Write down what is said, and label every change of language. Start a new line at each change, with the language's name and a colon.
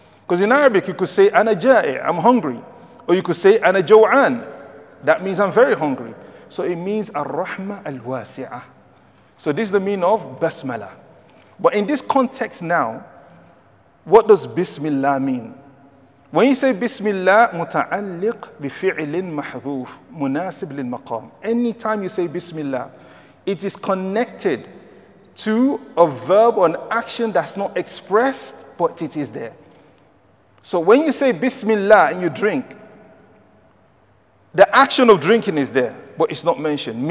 English: Because in Arabic, you could say,
Arabic: أنا جائع,
English: I'm hungry. Or you could say,
Arabic: أنا جوعان.
English: That means I'm very hungry. So it means
Arabic: الرحمة الواسعة.
English: So this is the meaning of Basmala. But in this context now, what does Bismillah mean? When you say Bismillah,
Arabic: متعلق بفعل محذوف مناسب للمقام.
English: Anytime you say Bismillah, it is connected to a verb or an action that's not expressed, but it is there. So when you say Bismillah and you drink, the action of drinking is there, but it's not mentioned.